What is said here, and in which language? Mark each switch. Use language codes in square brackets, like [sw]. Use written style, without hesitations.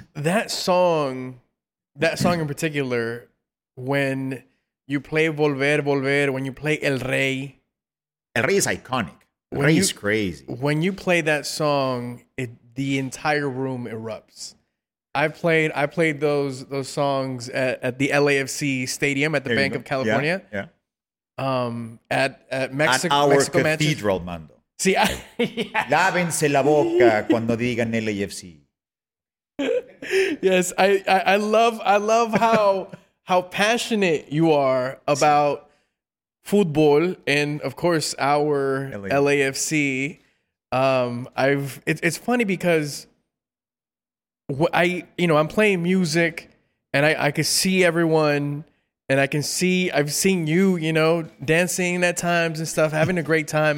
[en] That song in particular, when you play Volver, Volver, when you play El Rey. El Rey is iconic. El Rey is crazy. When you play that song, the entire room erupts. I played those songs at the LAFC stadium at the Bank of California. Yeah. Yeah. At Mexico. At our cathedral, Mando. See, [es] lávense la boca cuando digan LAFC. [en] Yes, I love how how passionate you are about football and, of course, our LAFC. It's funny because I'm playing music and I can see everyone and I've seen you, you know, dancing at times and stuff, having a great time.